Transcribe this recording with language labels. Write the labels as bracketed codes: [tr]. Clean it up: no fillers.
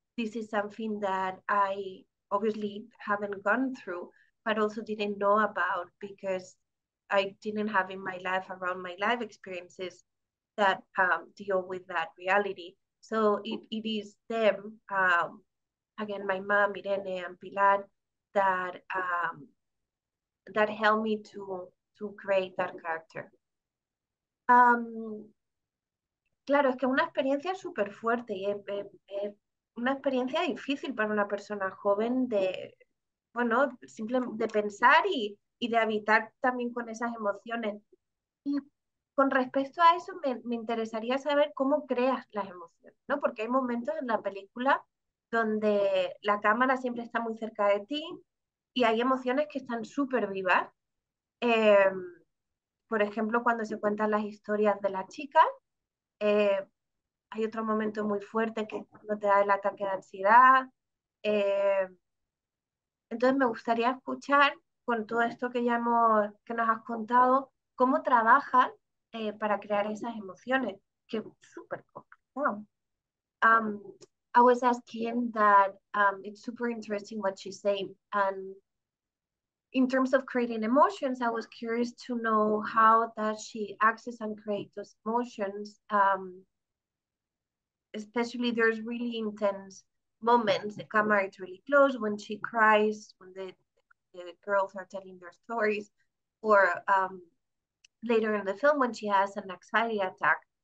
[en] This is something that I obviously haven't gone through, but also didn't know about because I didn't have in my life around my life experiences that deal with that reality. So it is them. Again, my mom, Irene, and Pilar, that helped me to create that character. [es] Claro, es que una experiencia súper fuerte y es una experiencia difícil para una persona joven de, bueno, simplemente de pensar y de habitar también con esas emociones. Y con respecto a eso, me interesaría saber cómo creas las emociones, ¿no? Porque hay momentos en la película donde la cámara siempre está muy cerca de ti y hay emociones que están súper vivas. Por ejemplo, cuando se cuentan las historias de la chica, hay otro momento muy fuerte que no te da el ataque de ansiedad. Entonces me gustaría escuchar con todo esto que ya que nos has contado, cómo trabajas para crear esas emociones, que es súper complicado. [en] I was asking that it's super interesting what you say. And in terms of creating emotions, I was curious to know how does she access and create those emotions. Especially there's really intense moments. The camera is really close when she cries, when the girls are telling their stories, or later in the film when she has an anxiety attack.